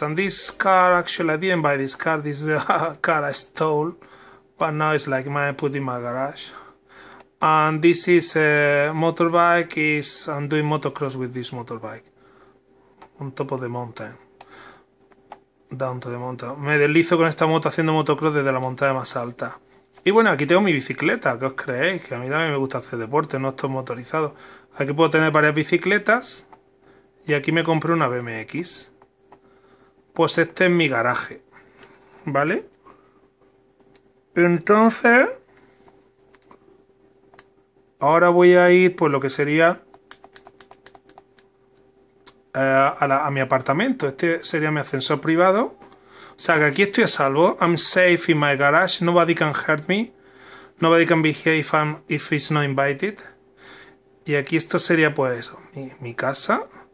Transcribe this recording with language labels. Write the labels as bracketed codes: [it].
[en] And this car, actually, I didn't buy this car. This is a car I stole, but now it's like mine, put in my garage. And this is a motorbike. Is I'm doing motocross with this motorbike on top of the mountain, down to the mountain. [es] Me deslizo con esta moto haciendo motocross desde la montaña más alta. Y bueno, aquí tengo mi bicicleta. ¿Qué os creéis? Que a mí también me gusta hacer deporte, no estoy motorizado. Aquí puedo tener varias bicicletas. Y aquí me compré una BMX. Pues este es mi garaje. ¿Vale? Entonces, ahora voy a ir por lo que sería a mi apartamento. Este sería mi ascensor privado. O sea que aquí estoy a salvo. [en] I'm safe in my garage. Nobody can hurt me. Nobody can be here if it's not invited. [es] Y aquí esto sería pues eso, mi casa.